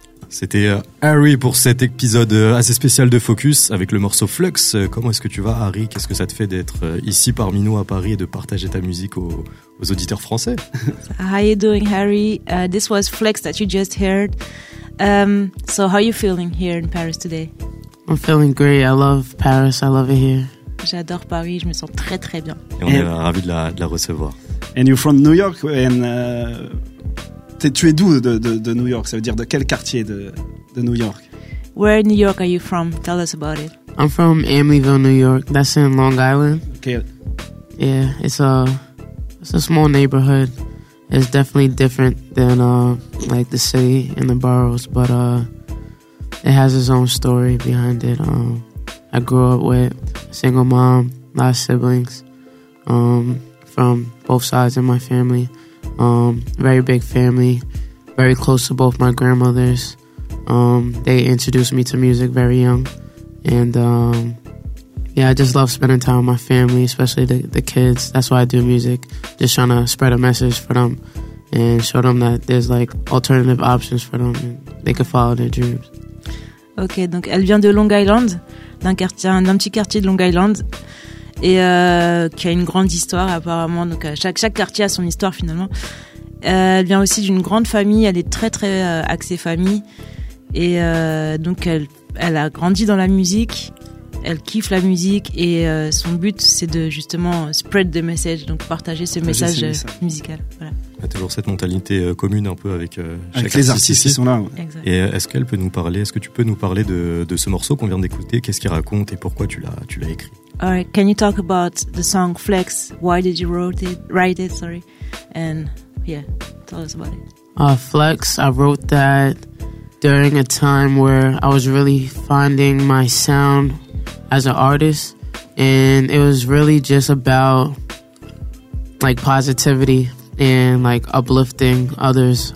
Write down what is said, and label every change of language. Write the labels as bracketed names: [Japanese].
[French] C'était Harry pour cet épisode assez spécial de Focus avec le morceau Flux. Comment est-ce que tu vas, Harry? Qu'est-ce que ça te fait d'être ici parmi nous à Paris et de partager ta musique aux auditeurs français? [English] How you doing, Harry? This was Flux that you just heard. So how are you feeling here in Paris today? I'm feeling great. I love Paris. I love it here. [French] J'adore Paris. Je me sens très très bien. Et on est ravis de la recevoir. [English] And you're from New York and... [French] Tu es d'où de New York? Ça veut dire de quel quartier de New York? [English] Where in New York are you from? Tell us about it. I'm from Amityville, New York. That's in Long Island. Okay. Yeah, it's a small neighborhood. It's definitely different than like the city and the boroughs, but it has its own story behind it. I grew up with a single mom, a lot of siblings from both sides of my family. Very big family, very close to both my grandmothers. They introduced me to music very young. And I just love spending time with my family, especially the kids. That's why I do music, just trying to spread a message for them and show them that there's like alternative options for them and they can follow their dreams. [French] Ok, donc elle vient de Long Island, d'un petit quartier de Long Island. Et qui a une grande histoire apparemment. Donc chaque quartier a son histoire finalement. Elle vient aussi d'une grande famille. Elle est très très axée famille. Et donc elle a grandi dans la musique. Elle kiffe la musique. Et son but c'est de justement [English] spread the message. [French] Donc partager ce message musical, voilà. Il y a toujours cette mentalité commune un peu avec chaque avec les artistes ici. Qui sont là, ouais. Et est-ce que tu peux nous parler de ce morceau qu'on vient d'écouter? Qu'est-ce qu'il raconte et pourquoi tu l'as écrit? [English] All right, can you talk about the song Flex? Why did you write it? And yeah, tell us about it. Flex, I wrote that during a time where I was really finding my sound as an artist. And it was really just about like positivity and like uplifting others.